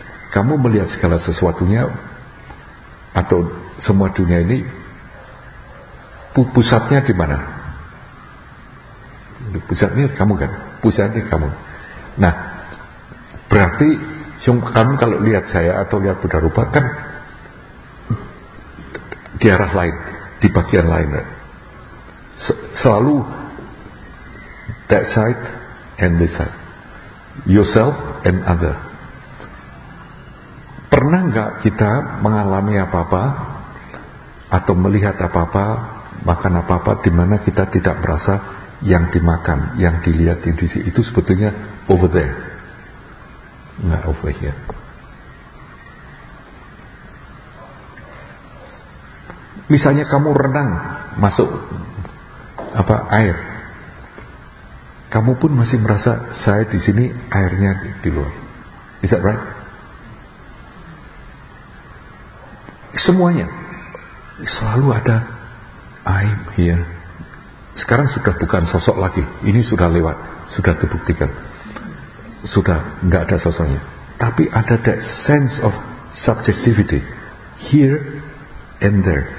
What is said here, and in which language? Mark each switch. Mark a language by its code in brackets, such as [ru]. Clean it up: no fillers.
[id] Kamu melihat segala sesuatunya atau semua dunia ini pusatnya di mana? Pusatnya kamu kan? Pusatnya kamu. Nah, berarti kamu kalau lihat saya atau lihat Buddha rupa kan di arah lain, di bagian lain. Selalu [en] that side and this side, yourself and other. [id] Pernah enggak kita mengalami apa-apa atau melihat apa-apa, makan apa-apa, di mana kita tidak merasa yang dimakan, yang dilihat di sini itu sebetulnya [en] over there, [id] enggak [en] over here. [id] Misalnya kamu renang masuk apa air, kamu pun masih merasa saya di sini, airnya di luar. [en] Is that right? [id] Semuanya selalu ada [en] I'm here. [id] Sekarang sudah bukan sosok lagi, ini sudah lewat, sudah dibuktikan, sudah enggak ada sosoknya. Tapi ada [en] that sense of subjectivity, here and there.